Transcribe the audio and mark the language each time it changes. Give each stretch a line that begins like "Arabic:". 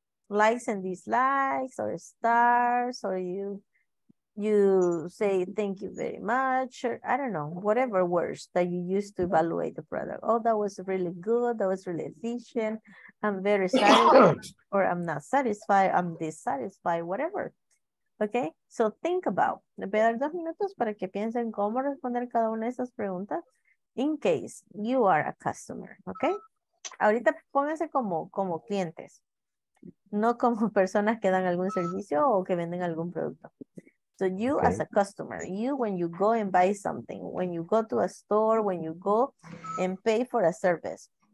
English: Likes and dislikes, or stars, or you say thank you very much, or I don't know, whatever words that you use to evaluate the product. Oh, that was really good, that was really efficient, I'm very satisfied, or I'm not satisfied, I'm dissatisfied, whatever. Okay, so think about.
Spanish: Le voy a dar 2 minutos para que piensen cómo responder cada una de esas preguntas.
English: In case you are a customer, okay?
Spanish: Ahorita pónganse como clientes, no como personas que dan algún servicio o que venden algún producto.
English: So you, okay, as a customer, you when you go and buy something, when you go to a store, when you go and pay for a service.